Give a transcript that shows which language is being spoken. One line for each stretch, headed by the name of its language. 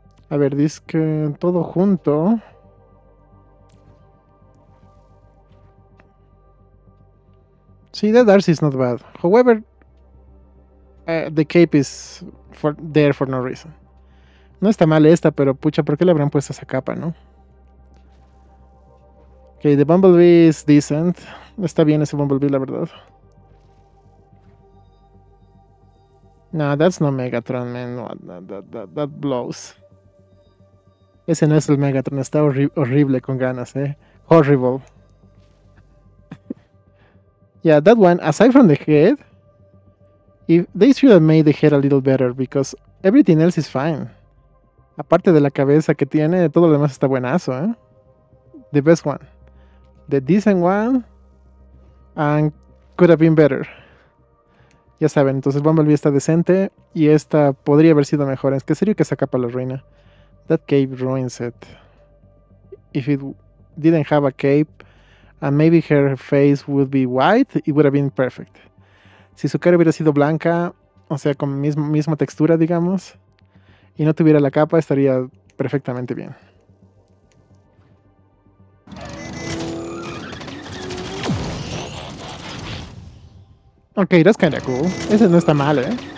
Spanish: A ver, dice todo junto.
English: Sí, that Arcee is not bad. However, the cape is there for no reason.
Spanish: No está mal esta, pero pucha, ¿por qué le habrán puesto esa capa, no?
English: Ok, the Bumblebee is decent.
Spanish: Está bien ese Bumblebee, la verdad.
English: No, that's not Megatron, man. That blows.
Spanish: Ese no es el Megatron. Está horrible con ganas, eh. Horrible.
English: Yeah, that one, aside from the head, they should have made the head a little better, because everything else is fine.
Spanish: Aparte de la cabeza que tiene, todo lo demás está buenazo, eh.
English: The best one. The decent one, and could have been better.
Spanish: Ya saben, entonces Bumblebee está decente, y esta podría haber sido mejor. Es que serio que esa capa lo arruina.
English: That cape ruins it. If it didn't have a cape, and maybe her face would be white, it would have been perfect.
Spanish: Si su cara hubiera sido blanca, o sea, con misma textura, digamos, y no tuviera la capa, estaría perfectamente bien.
English: Ok, that's kind of cool.
Spanish: Ese no está mal, ¿eh?